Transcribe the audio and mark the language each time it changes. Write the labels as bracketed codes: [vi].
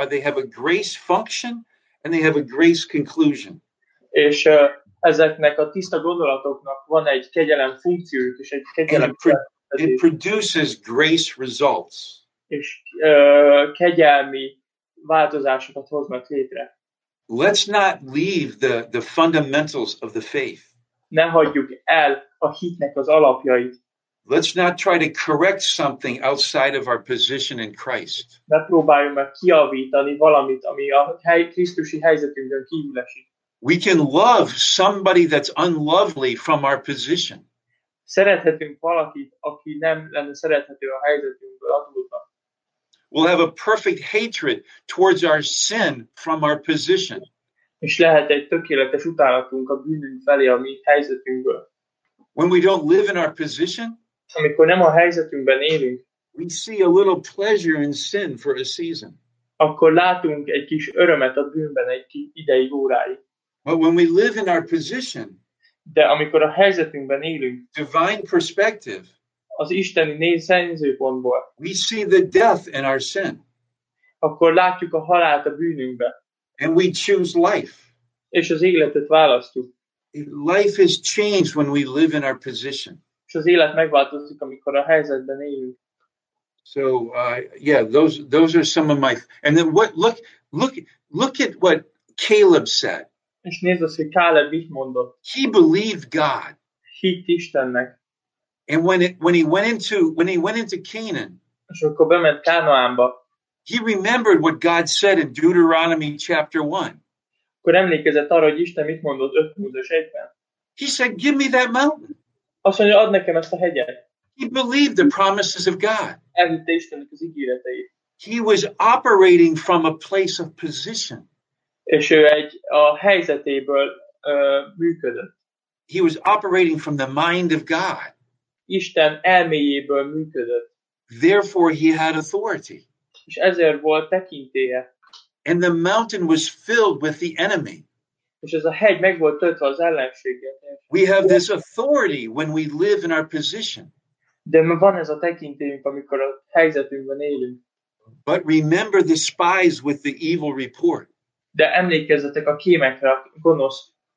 [en] They have a grace function and they have a grace conclusion. [hu] És ezeknek a tiszta gondolatoknak van egy kegyelem funkciójuk és egy kegyelem. [en] It produces grace results. [hu] És kegyelmi változásokat hoznak létre. [en] Let's not leave the fundamentals of the faith. [hu] Ne hagyjuk el a hitnek az alapjait. [en] Let's not try to correct something outside of our position in Christ. [hu] Ne próbáljunk meg kiavítani valamit, ami a Krisztusi helyzetünkön kívül esik. [en] We can love somebody that's unlovely from our position. [hu] Szerethetünk valakit, aki nem lenne szerethető a helyzetünkből adódva. [en] We'll have a perfect hatred towards our sin from our position. [hu] És lehet egy tökéletes utálatunk a bűnünk felé, a mi helyzetünkből. [en] When we don't live in our position, [hu] amikor nem a helyzetünkben élünk, [en] we see a little pleasure in sin for a season. [hu] Akkor látunk egy kis örömet a bűnben egy kis ideig, óráig. [en] But when we live in our position, [hu] de amikor a helyzetünkben élünk, [en] divine perspective, [hu] az isteni nézőpontból, [en] we see the death in our sin. [hu] Akkor látjuk a halált a bűnünkbe. [en] And we choose life. [hu] És az életet választjuk. [en] Life is changed when we live in our position. [hu] És az élet megváltozik, amikor a helyzetben élünk. [en] So, those are some of my... And then look at what Caleb said. [hu] És nézd azt, hogy Caleb mit mondott. [en] He believed God. [hu] Hitt Istennek. [en] And when he went into Canaan, [hu] és akkor bement Kánoánba, [en] he remembered what God said in Deuteronomy chapter 1. [hu] Akkor emlékezett arra, hogy Isten mit mondott 5 Mózes 1-ben. [en] He said, "Give me that mountain." [hu] Azt mondja, ad nekem ezt a hegyet. [en] He believed the promises of God. [hu] Elhitte Istennek az ígéreteit. [en] He was operating from a place of position. [hu] És ő a helyzetéből működött. [en] He was operating from the mind of God. [hu] Isten elméjéből működött. [en] Therefore he had authority. [hu] És ezért volt tekintélye. [en] And the mountain was filled with the enemy. [hu] És ez a hegy meg volt töltve az ellenséggel. [en] We have this authority when we live in our position. [hu] De van ez a tekintélyünk, amikor a helyzetünkben élünk. [en] But remember the spies with the evil report. [hu] De emlékezzetek a kémekre, a gonosz.